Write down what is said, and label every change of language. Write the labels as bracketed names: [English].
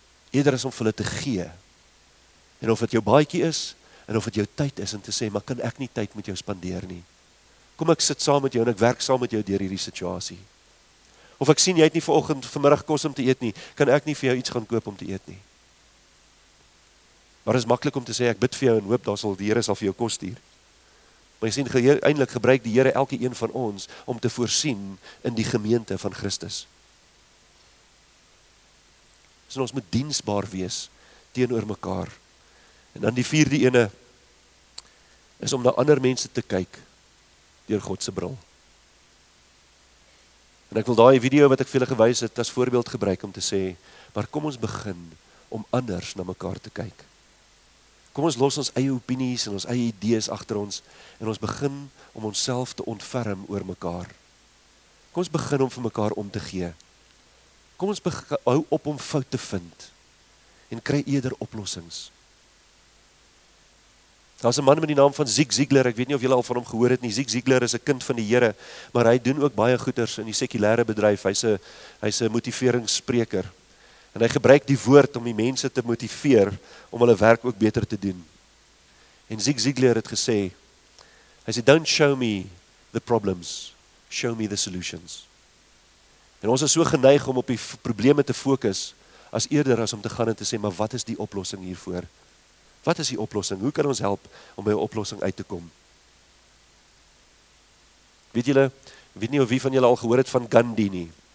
[Afrikaans] Eerder is om vir hulle te gee, en of het jou baadjie is, en of het jou tyd is, en te sê, maar kan ek nie tyd met jou spandeer nie. Kom ek sit saam met jou, en ek werk saam met jou deur hierdie situasie. Of ek sien, jy het nie vanoggend vanmiddag kos om te eet nie, kan ek nie vir jou iets gaan koop om te eet nie. Maar is maklik om te sê, ek bid vir jou en hoop, daar sal die Here sal vir jou kos stuur. Maar jy sien, eindelijk gebruik die Here elke een van ons om te voorsien in die gemeente van Christus. So ons moet diensbaar wees teenoor mekaar. En dan die vierde ene is om na ander mense te kyk deur God se bril. En ek wil daai video wat ek vir julle gewys het as voorbeeld gebruik om te sê, maar kom ons begin om anders na mekaar te kyk. Kom ons los ons eie opinies en ons eie idees agter ons en ons begin om onsself te ontferm oor mekaar. Kom ons begin om vir mekaar om te gee. Kom ons hou op om fout te vind en kry eerder oplossings. Daar is 'n man met die naam van Zig Ziglar, ek weet nie of julle al van hom gehoor het nie. Zig Ziglar is 'n kind van die Here, maar hy doen ook baie goeders in die sekulêre bedryf. Hy's 'n motiveringsspreker. En hy gebruik die woord om die mense te motiveer om hulle werk ook beter te doen. En Zig Ziglar het gesê, hy sê, [English] don't show me the problems, show me the solutions. [Afrikaans] En ons is so geneig om op die probleme te fokus, as eerder as om te gaan en te sê, maar wat is die oplossing hiervoor? Wat is die oplossing? Hoe kan ons help om by 'n oplossing uit te kom? Weet julle, weet nie of wie van julle al gehoor het van Gandhi nie.